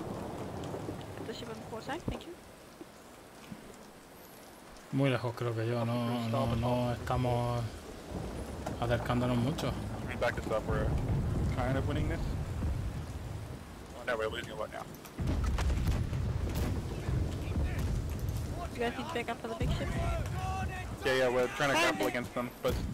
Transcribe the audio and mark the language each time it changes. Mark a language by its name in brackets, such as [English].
[English] Get the ship on the port side, thank you. [Spanish] Muy lejos creo que yo, no, no, no estamos acercándonos mucho. [English] We're back to stop, we're kind of winning this. Oh no, we're losing a lot now. You guys need to back up for the big ship? Yeah, yeah, we're trying to grapple against them, but...